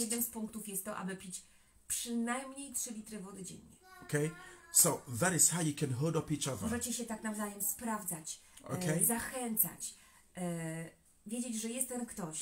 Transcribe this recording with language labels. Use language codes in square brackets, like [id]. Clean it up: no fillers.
[pl] Jeden z punktów jest to, aby pić przynajmniej 3 litry wody dziennie. [en] Okay? So that is how you can hold up each other. [pl] Możecie się tak nawzajem sprawdzać, [en] okay? [pl] Zachęcać. Wiedzieć, że jest ten ktoś.